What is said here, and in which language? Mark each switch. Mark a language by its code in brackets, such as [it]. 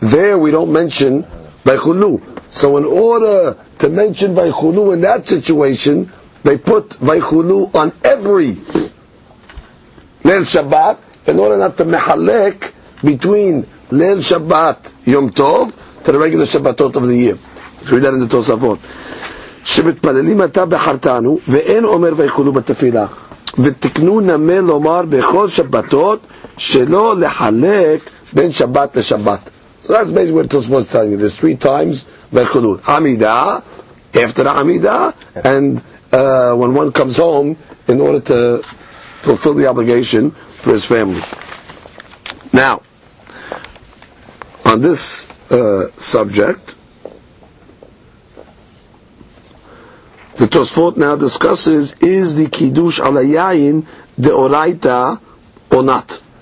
[en] There we don't mention Vaychulu. So in order to mention Vaychulu in that situation, they put Vaychulu on every Leil Shabbat in order not to mehalek between Leil Shabbat Yom Tov to the regular Shabbatot of the year. Read that in the Tosafot. [he] שמתפללים אתה בחרתנו ואין אומר ויחולו בתפילה ותקנו נמי לומר בכל שבתות שלא לחלק בין שבת לשבת. [en] So that's basically what Tosfos is telling you. There's three times ויחולו. עמידה, after עמידה, and when one comes home in order to fulfill the obligation for his family. Now, on this subject, the Tosfot now discusses, is the Kiddush al Yayin de'oraita or not?